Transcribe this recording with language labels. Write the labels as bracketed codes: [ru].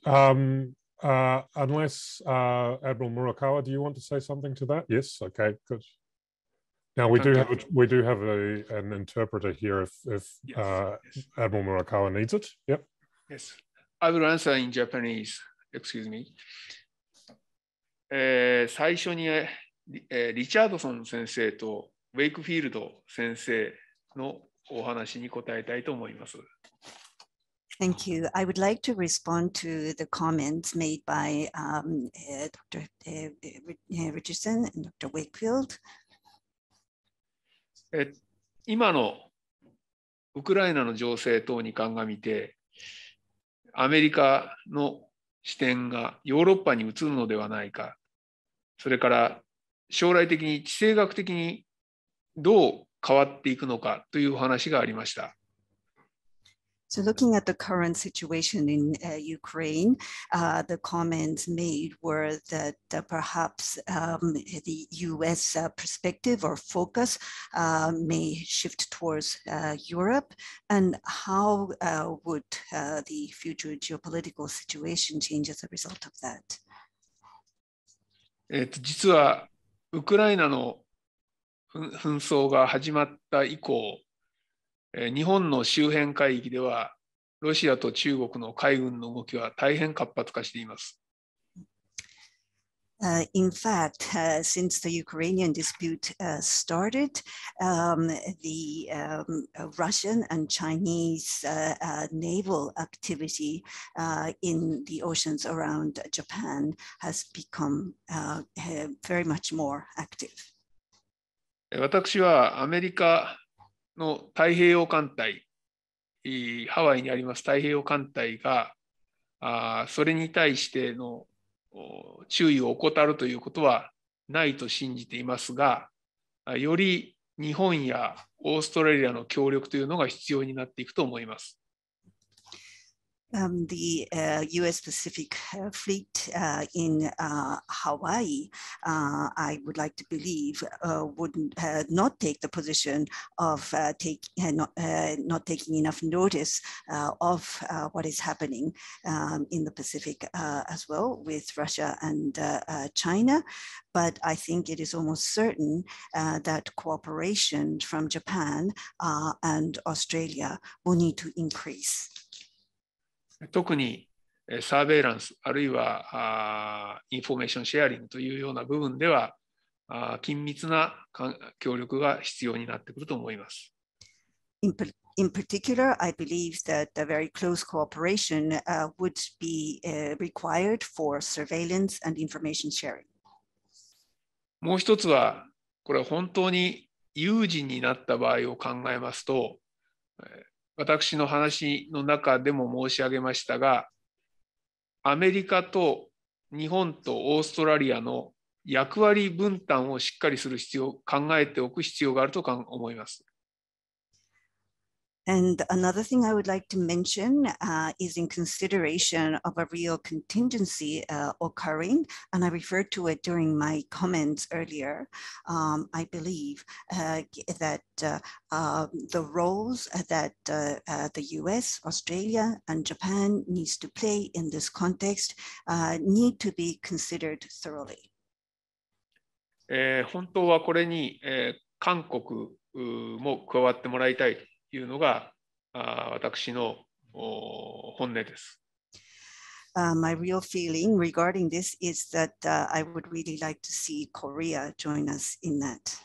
[en] Admiral Murakawa, do you want to say something to that? Yes. Okay. Good. Now we do have an interpreter here if Admiral Murakawa needs it. Yep. Yes. I will answer in Japanese. Excuse me. [ja] 最初に、リチャードソン先生とウェイクフィールド先生のお話に答えたいと思います。 [en] Thank you. I would like to respond to the comments made by Dr. Richardson and Dr. Wakefield. [ja] 今のウクライナの情勢等に鑑みて、アメリカの視点がヨーロッパに移るのではないか、それから将来的に地政学的にどう変わっていくのかという話がありました。 [en] So looking at the current situation in Ukraine, the comments made were that perhaps the U.S. perspective or focus may shift towards Europe, and how would the future geopolitical situation change as a result of that? [ja] 実はウクライナの紛争が始まった以降、日本の周辺海域ではロシアと中国の海軍の動きは大変活発化しています。 [en] In fact, since the Ukrainian dispute started, the Russian and Chinese naval activity in the oceans around Japan has become very much more active. [ja] 私はアメリカの太平洋艦隊、ハワイにあります太平洋艦隊がそれに対しての注意を怠るということはないと信じていますが、より日本やオーストラリアの協力というのが必要になっていくと思います。 [en] The U.S. Pacific fleet in Hawaii, I would like to believe, would not take the position of not taking enough notice of what is happening in the Pacific as well with Russia and China. But I think it is almost certain that cooperation from Japan and Australia will need to increase. [ja] 特にサーベイランスあるいはインフォメーションシェアリングというような部分では緊密な協力が必要になってくると思います。 [en] In particular, I believe that a very close cooperation would be required for surveillance and information sharing. [ja] もう一つは、これは本当に有事になった場合を考えますと、私の話の中でも申し上げましたが、アメリカと日本とオーストラリアの役割分担をしっかりする必要、考えておく必要があると思います。 [en] And another thing I would like to mention is in consideration of a real contingency occurring, and I referred to it during my comments earlier. I believe that the roles that the US, Australia, and Japan needs to play in this context need to be considered thoroughly. [ja] 本当はこれに韓国も加わってもらいたい。いうのが私の本音です。 [en] My real feeling regarding this is that I would really like to see Korea join us in that.